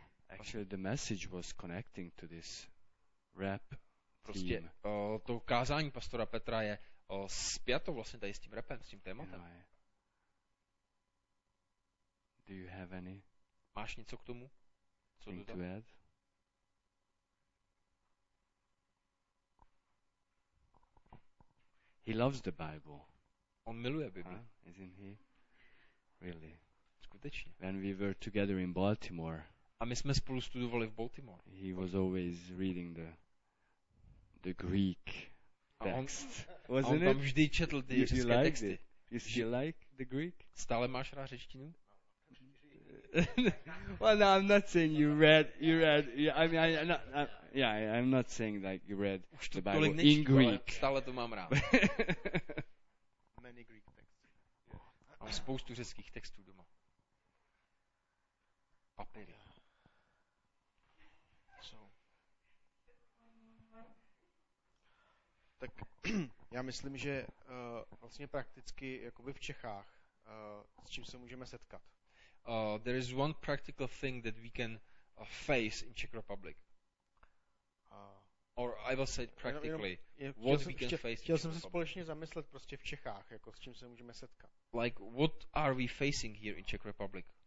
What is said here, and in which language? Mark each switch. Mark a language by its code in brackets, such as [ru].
[en] Actually, the message was connecting to this rap [cs] prostě, [en] theme. [cs] To kázání pastora Petra je spjato vlastně tady s tím rapem, s tím tématem. [en] Do you have any? [cs] Máš něco k tomu? Co dodat? [en] To add? He loves the Bible. [cs] On miluje Bibli. [en] Isn't he? Really? [cs] Skutečně. [en] When we were together in Baltimore. [cs] A my jsme spolu studovali v Baltimore. [en] He was always reading the Greek text. Wasn't it? [cs] On tam vždy četl ty řecké texty. [en] You still like the Greek? [cs] Stále máš rád řečtinu? [en] Well, no, I'm not saying you read. Yeah, I mean, I'm not saying like you read the Bible in Greek. [cs] Stále to mám rád. [en] Many Greek texts. [cs] Mám spoustu řeckých textů doma. Papíry. Tak já myslím, že vlastně prakticky jakoby v Čechách s čím se můžeme setkat. [en] There is one practical thing that we can face in Czech Republic. Or I will say it practically, [cs] chtěl jsem se společně zamyslet prostě v Čechách, jako s čím se můžeme setkat. [en] Like what are we facing here in Czech Republic?